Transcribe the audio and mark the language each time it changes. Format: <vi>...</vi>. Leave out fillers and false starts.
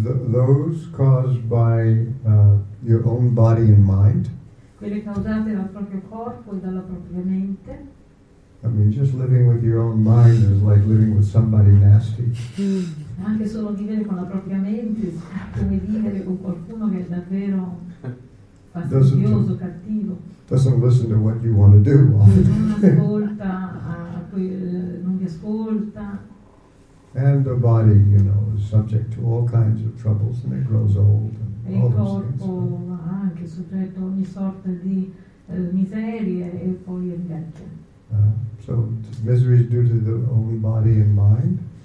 <en>Those caused by your own body and mind.</en> <it>Quelle causate dal proprio corpo e dalla propria mente.</it> <en>I mean, just living with your own mind is like living with somebody nasty.</en> <it>Anche solo vivere con la propria mente è come vivere con qualcuno che è davvero fastidioso, cattivo.</it> <en>Doesn't listen to what you want to do.</en> <it>Non ti ascolta.</it> <en>And the body, you know, is subject to all kinds of troubles and it grows old and all those things.</en> <it>E il corpo anche soggetto a ogni sorta di miserie e poi invecchia.</it> <en>So misery is due to the own body and mind.</en>